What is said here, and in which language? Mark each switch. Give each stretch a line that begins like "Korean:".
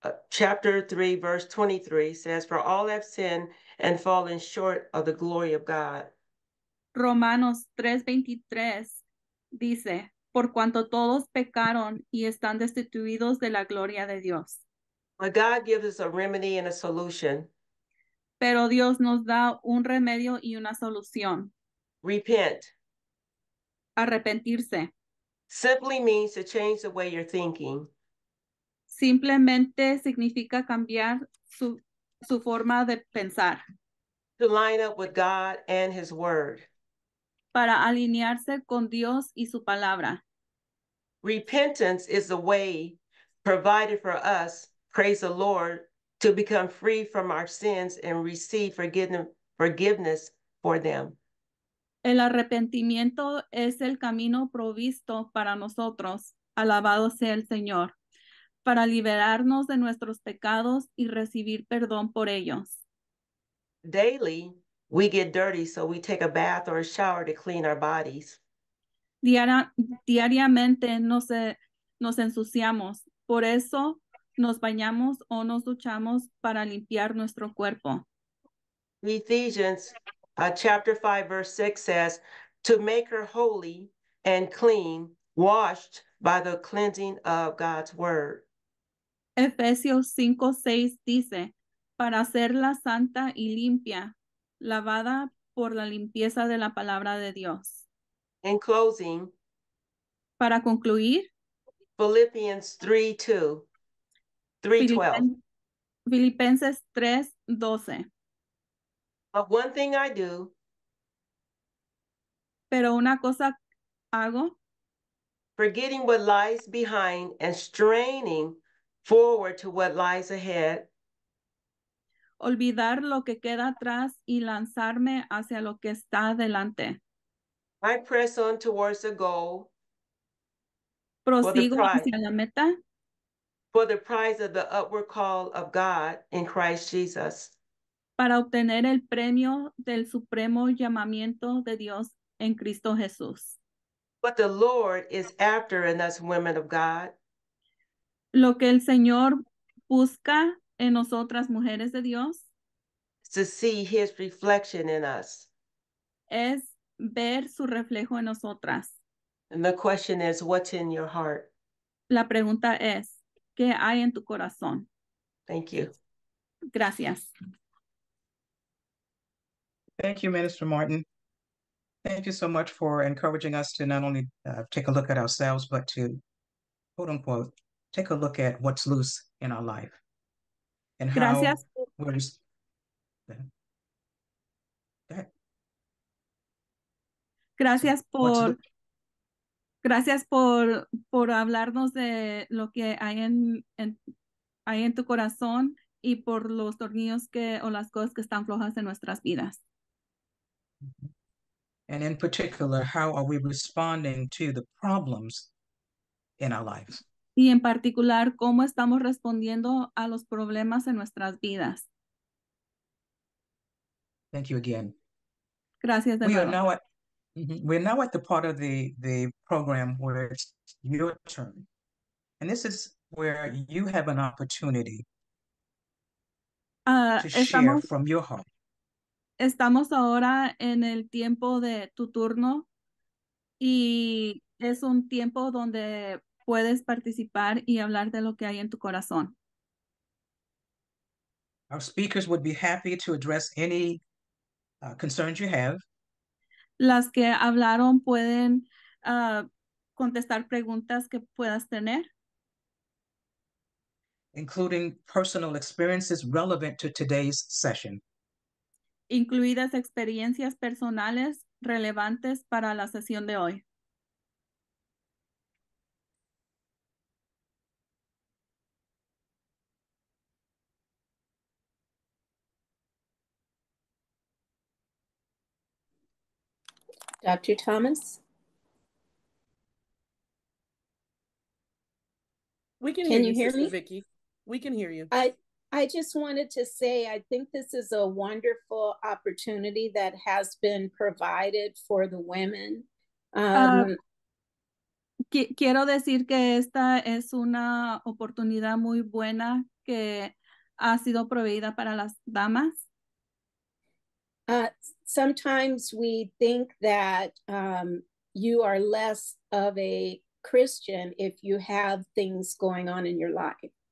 English: Chapter 3, verse 23 says, for all have sinned and fallen short of the glory of God.
Spanish: Romanos 3:23 dice, por cuanto todos pecaron y están destituidos de la gloria de Dios.
English: But God gives us a remedy and a solution.
Spanish: Pero Dios nos da un remedio y una solución.
English: Repent.
Spanish: Arrepentirse.
English: Simply means to change the way you're thinking.
Spanish: Simplemente significa cambiar su forma de pensar.
English: To line up with God and his word.
Spanish: Para alinearse con Dios y su palabra.
English: Repentance is the way provided for us, praise the Lord, to become free from our sins and receive forgiveness for them.
Spanish: El arrepentimiento es el camino provisto para nosotros, alabado sea el Señor, para liberarnos de nuestros pecados y recibir perdón por ellos.
English: Daily, we get dirty, so we take a bath or a shower to clean our bodies.
Spanish: Diariamente nos ensuciamos, por eso nos bañamos o nos duchamos para limpiar nuestro cuerpo.
English: Ephesians chapter 5, verse 6 says, to make her holy and clean, washed by the cleansing of God's word.
Spanish: Efesios 5:6 dice, para hacerla santa y limpia, lavada por la limpieza de la palabra de Dios.
English: In closing,
Spanish: para concluir,
English: Philippians 3:12.
Spanish: Filipenses 3:12.
English: But one thing I do.
Spanish: Pero una cosa hago.
English: Forgetting what lies behind and straining forward to what lies ahead.
Spanish: Olvidar lo que queda atrás y lanzarme hacia lo que está adelante.
English: I press on towards the goal.
Spanish: Prosigo hacia la meta.
English: For the prize of the upward call of God in Christ Jesus.
Spanish: Para obtener el premio del supremo llamamiento de Dios en Cristo Jesús.
English: But the Lord is after in us women of God.
Spanish: Lo que el Señor busca en nosotras, mujeres de Dios,
English: to see his reflection in us.
Spanish: Es ver su reflejo en nosotras.
English: And the question is, what's in your heart?
Spanish: La pregunta es, ¿qué hay en tu corazón?
English: Thank you.
Spanish: Gracias.
English: Thank you, Minister Martin. Thank you so much for encouraging us to not only take a look at ourselves, but to, quote unquote, take a look at what's loose in our life and
Spanish: gracias.
English: How we're
Spanish: gracias por gracias por hablarnos de lo que hay en tu corazón y por los tornillos que o las cosas que están flojas en nuestras vidas.
English: And in particular, how are we responding to the problems in our lives?
Spanish: Y en particular, ¿cómo estamos respondiendo a los problemas en nuestras vidas?
English: Thank you again.
Spanish: Gracias.
English: We're now at the part of the program where it's your turn. And this is where you have an opportunity to share from your heart.
Spanish: Estamos ahora en el tiempo de tu turno y es un tiempo donde puedes participar y hablar de lo que hay en tu corazón.
English: Our speakers would be happy to address any concerns you have.
Spanish: Las que hablaron pueden contestar preguntas que puedas tener.
English: Including personal experiences relevant to today's session.
Spanish: Incluidas experiencias personales relevantes para la sesión de hoy.
English: Dr. Thomas? We can hear you, hear Sister me? Vicky. We can hear you. I just wanted to say, I think this is a wonderful opportunity that has been provided for the women.
Spanish: Quiero decir que esta es una oportunidad muy buena que ha sido proveída para las damas.
English: Sometimes we think that you are less of a Christian if you have things going on in your life.